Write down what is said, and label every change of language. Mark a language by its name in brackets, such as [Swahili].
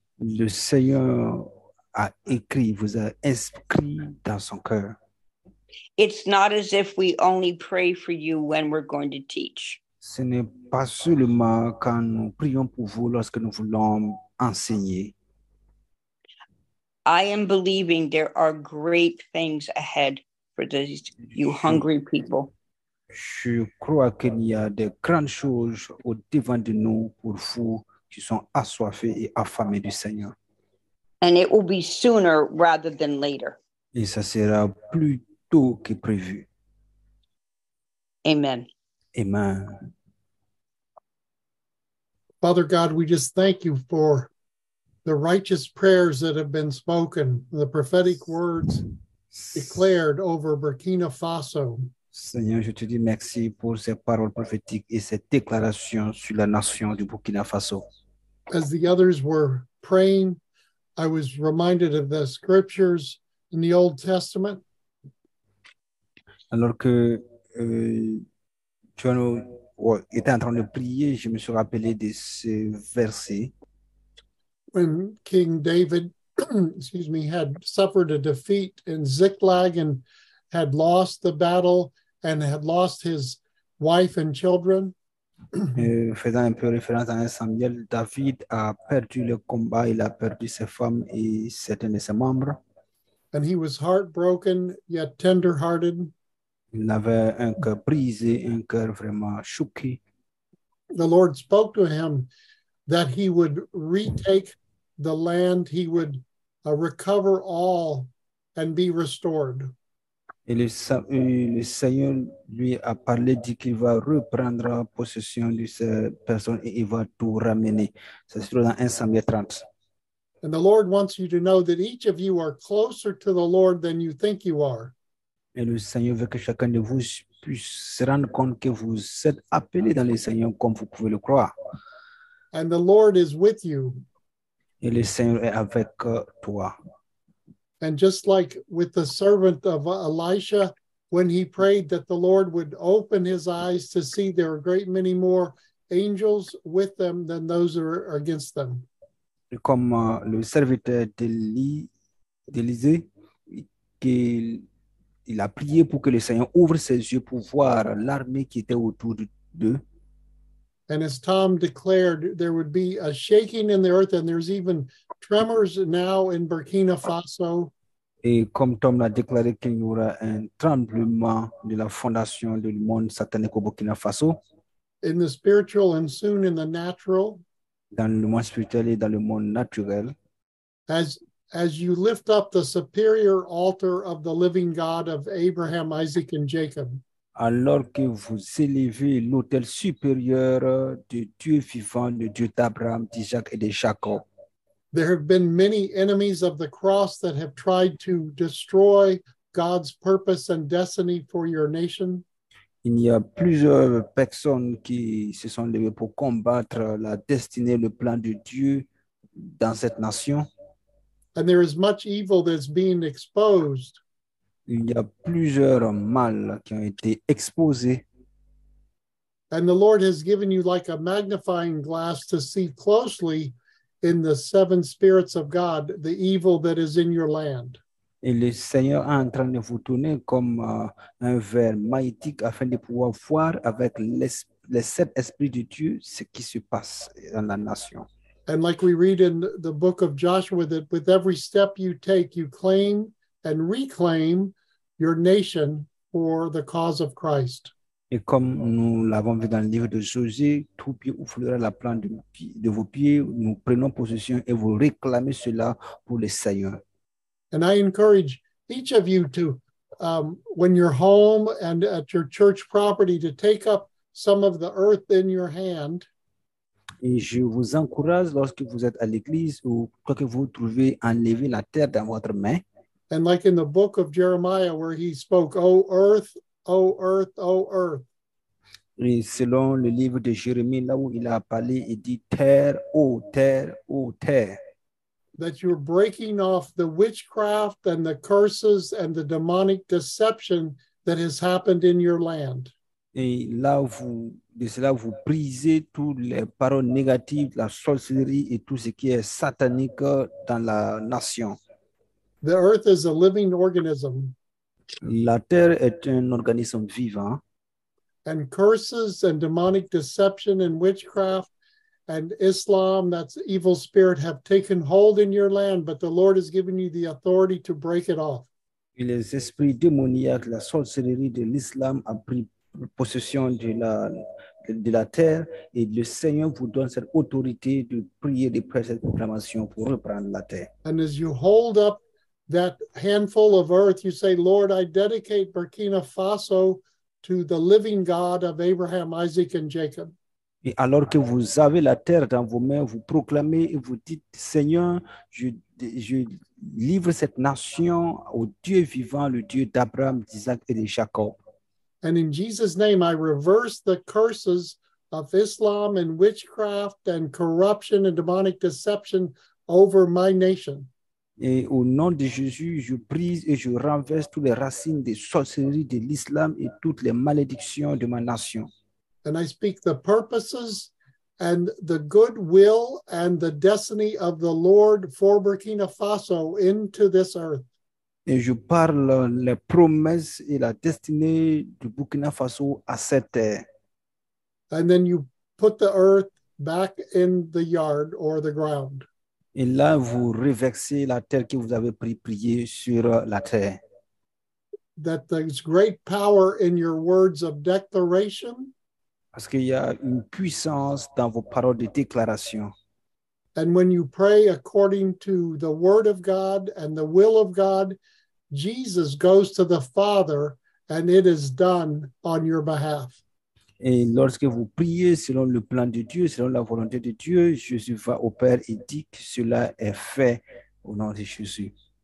[French] Le Seigneur a écrit, vous a inscrit dans son cœur. [English] It's not as if we only pray for you when we're going to teach. [French] Ce n'est pas seulement quand nous prions pour vous lorsque nous voulons enseigner. [English] I am believing there are great things ahead for these you hungry people. [French] Je crois qu'il y a des grandes choses au devant de nous pour vous qui sont assoiffés et affamés du Seigneur. [English] And it will be sooner rather than later. [French] Et ça sera plus tôt que prévu. [English] Amen. [French] Amen. [English] Father God, we just thank you for the righteous prayers that have been spoken, the prophetic words declared over Burkina Faso. [French] Seigneur, je te dis merci pour ces paroles prophétiques et ces déclarations sur la nation du Burkina Faso. [English] As the others were praying, I was reminded of the scriptures in the Old Testament. [French] Alors que était en train de prier, je me suis rappelé de ce verset. [English] When King David, had suffered a defeat in Ziklag and had lost the battle, and had lost his wife and children. [French] Faisant un peu référence à Samuel, David a perdu le combat, il a perdu ses femmes et certains de ses membres. [English] And he was heartbroken, yet tender-hearted. [French] Il avait un cœur brisé, un cœur vraiment choqué. [English] the Lord spoke to him that he would retake the land, he would recover all and be restored. [French] Et le Seigneur lui a parlé, dit qu'il va reprendre possession de cette personne et il va tout ramener. Ça se trouve dans 1 Samuel 30. [English] And the Lord wants you to know that each of you are closer to the Lord than you think you are. [French] Et le Seigneur veut que chacun de vous puisse se rendre compte que vous êtes appelé dans le Seigneur comme vous pouvez le croire. [English] And the Lord is with you. [French] Et le Seigneur est avec toi. [English] And just like with the servant of Elisha, when he prayed that the Lord would open his eyes to see there are a great many more angels with them than those that are against them. [French] Comme le serviteur d'Élisée, qu'il a prié pour que le Seigneur ouvre ses yeux pour voir l'armée qui était autour d'eux. [English] And as Tom declared, there would be a shaking in the earth, and there's even tremors now in Burkina Faso. [French] Et comme Tom l'a déclaré, qu'il y aura un tremblement de la fondation du monde satanique au Burkina Faso. [English] In the spiritual and soon in the natural. [French] Dans le monde spirituel et dans le monde naturel. [English] As you lift up the superior altar of the living God of Abraham, Isaac, and Jacob. [French] Alors que vous élevez l'autel supérieur du Dieu vivant, le Dieu d'Abraham, d'Isaac et de Jacob. [English] There have been many enemies of the cross that have tried to destroy God's purpose and destiny for your nation. [French] Il y a plusieurs personnes qui se sont levées pour combattre la destinée, le plan de Dieu dans cette nation. [English] And there is much evil that's being exposed. [French] Il y a plusieurs mal qui ont été exposés. [English] And the Lord has given you like a magnifying glass to see closely in the seven spirits of God the evil that is in your land. [French] Et le Seigneur est en train de vous tourner comme un verre magnétique afin de pouvoir voir avec les sept esprits de Dieu ce qui se passe dans la nation. [English] And like we read in the book of Joshua, that with every step you take, you claim and reclaim your nation for the cause of Christ. [French] Et comme nous l'avons vu dans le livre de Josué, tout pied ou foulera la plante de vos pieds, nous prenons possession et vous réclamez cela pour le Seigneur. [English] And I encourage each of you to, when you're home and at your church property, to take up some of the earth in your hand. [French] Et je vous encourage lorsque vous êtes à l'église ou quoi que vous trouvez, enlever la terre dans votre main. [English] And like in the book of Jeremiah, where he spoke, "O earth, O earth, O earth." [French] Et selon le livre de Jérémie, là où il a parlé, il dit terre, ô terre, ô terre. [English] That you're breaking off the witchcraft and the curses and the demonic deception that has happened in your land. [French] Et là, vous brisez toutes les paroles négatives, la sorcellerie et tout ce qui est satanique dans la nation. [English] The earth is a living organism. [French] La terre est un organisme vivant. [English] And curses and demonic deception and witchcraft and Islam, that's evil spirit, have taken hold in your land, but the Lord has given you the authority to break it off. [French] Et les esprits démoniaques, la sorcellerie de l'islam a pris possession de la terre et le Seigneur vous donne cette autorité de prier de prêcher cette proclamation pour reprendre la terre. [English] And as you hold up that handful of earth, you say, Lord, I dedicate Burkina Faso to the living God of Abraham, Isaac, and Jacob. [French] Et alors que vous avez la terre dans vos mains, vous proclamez et vous dites, Seigneur, je livre cette nation au Dieu vivant, le Dieu d'Abraham, d'Isaac et de Jacob. [English] And in Jesus' name, I reverse the curses of Islam and witchcraft and corruption and demonic deception over my nation. [French] Et au nom de Jésus, je brise et je renverse toutes les racines des sorcelleries de l'islam et toutes les malédictions de ma nation. [English] And I speak the purposes and the goodwill and the destiny of the Lord for Burkina Faso into this earth. [French] Et je parle les promesses et la destinée du Burkina Faso à cette terre. [English] And then you put the earth back in the yard or the ground. [French] Et là, vous reversez la terre que vous avez prié sur la terre. [English] That there's great power in your words of declaration. [French] Parce qu'il y a une puissance dans vos paroles de déclaration. [English] And when you pray according to the word of God and the will of God, Jesus goes to the Father and it is done on your behalf. [French] Et lorsque vous priez selon le plan de Dieu, selon la volonté de Dieu, Jésus va au Père et dit que cela est fait au nom de Jésus.